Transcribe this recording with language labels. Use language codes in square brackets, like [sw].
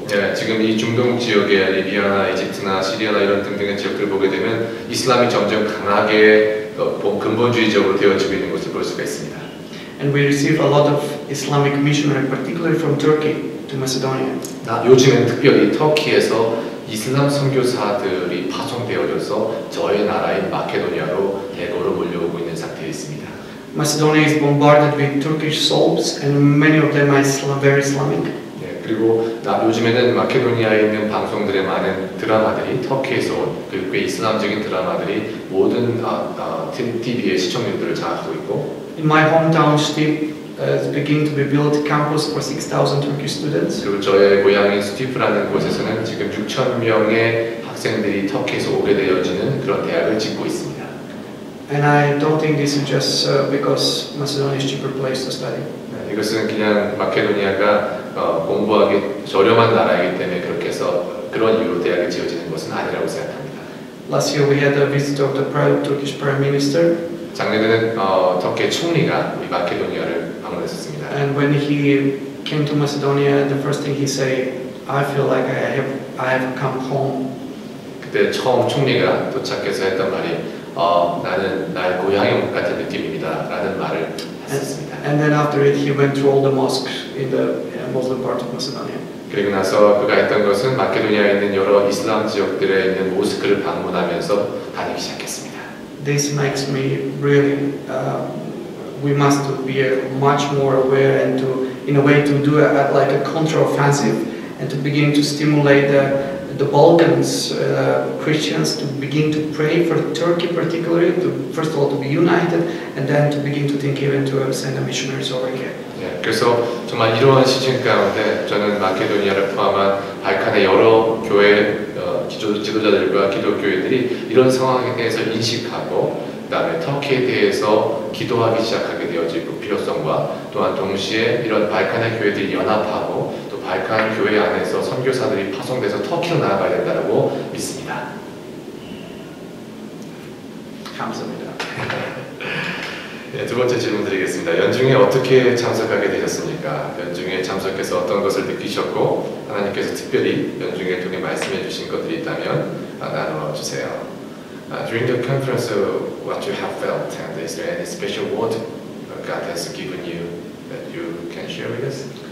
[ko] 네, 지금 이 중동 지역에 리비아나 이집트나 시리아나 이런 등등의 지역들을 보게 되면 이슬람이 점점 강하게 근본주의적으로 되어지고 있는 것을 볼 수가 있습니다. [en] And we receive a lot of Islamic missionaries, particularly from Turkey to Macedonia. [ko] 나 요즘에 특별히 터키에서 이슬람 선교사들이 파송되어져서 저의 나라인 마케도니아로 대거로 몰려오고 있는 상태에 있습니다. [en] Macedonia is bombarded with Turkish soldiers, and many of them are very Islamic. [ko] 그리고 나 요즘에는 마케도니아에 있는 방송들의 많은 드라마들이 터키에서 온 그리고 꽤 이슬람적인 드라마들이 모든 TV의 시청률들을 장악하고 있고 [en] In my hometown, Stip is beginning to be built campus for 6,000 Turkish students. [ko] 그리고 저의 고향인 스티프라는 곳에서는 지금 6,000명의 학생들이 터키에서 오게 되어지는 그런 대학을 짓고 있습니다. [en] And I don't think this is just because Macedonia is a cheaper place to study. [ko] 이것은 그냥 마케도니아가 공부하기 저렴한 나라이기 때문에 그렇게 해서 그런 이유로 대학이 지어지는 것은 아니라고 생각합니다. [en] Last year we had a visit of the Turkish Prime Minister. [ko] 작년에는 터키 총리가 우리 마케도니아를 방문했었습니다. [en] And when he came to Macedonia, the first thing he said, I feel like I have come home. [ko] 그때 처음 총리가 도착해서 했던 말이 나는 나의 고향이 온 것 같은 느낌입니다. 라는 말을 했습니다. [en] And then after it, he went through all the mosques in the Muslim part of Macedonia. [ko] 그리고 나서 그가 했던 것은 마케도니아에 있는 여러 이슬람 지역들에 있는 모스크를 방문하면서 다니기 시작했습니다. [en] This makes me really, we must be much more aware and to, in a way, to do like a counter-offensive and to begin to stimulate the Balkans Christians to begin to pray for Turkey particularly, to first of all to be united and then to begin to think even to send the missionaries over here. [ko] 네, 그래서 정말 이러한 시즌 가운데 저는 마케도니아를 포함한 발칸의 여러 교회 지도자들과 기독교인들이 이런 상황에 대해서 인식하고 그다음에 터키에 대해서 기도하기 시작하게 되어지고 필요성과 또한 동시에 이런 발칸의 교회들이 연합하고 또 발칸 교회 안에서 선교사들이 파송돼서 터키로 나아가야 된다고 믿습니다. 감사합니다. 네, 두 번째 질문 드리겠습니다. 연중에 어떻게 참석하게 되셨습니까? 연중에 참석해서 어떤 것을 느끼셨고 하나님께서 특별히 연중에 통해 말씀해 주신 것들이 있다면 나누어 주세요. [en] During the conference, what you have felt, and is there any special word God has given you that you can share with us?